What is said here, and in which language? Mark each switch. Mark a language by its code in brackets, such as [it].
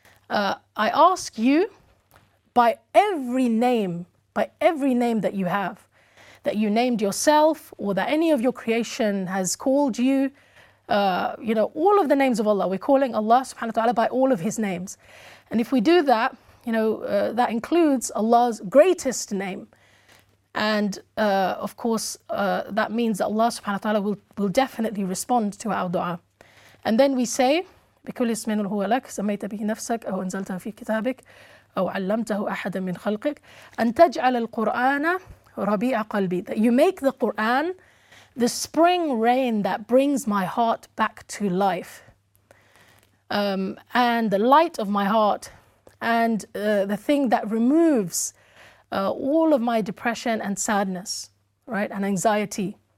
[en] I ask you by every name that you have, that you named yourself or that any of your creation has called you, you know, all of the names of Allah. We're calling Allah subhanahu wa ta'ala by all of His names. And if we do that, you know, that includes Allah's greatest name. And of course, that means that Allah subhanahu wa ta'ala will definitely respond to our dua. And then we say, [ar] بِكُلِّ اسْمٍ هُوَ لَكَ سَمَّيْتَ بِهِ نَفْسَكَ أَوْ أَنْزَلْتَهُ فِي كِتَابِكَ أَوْ عَلَّمْتَهُ أَحَدًا مِّنْ خَلْقِكَ أَنْ تَجْعَلَ الْقُرْآنَ رَبِيعَ قَلْبِي. [en] That you make the Qur'an the spring rain that brings my heart back to life, and the light of my heart, and the thing that removes all of my depression and sadness, right, and anxiety.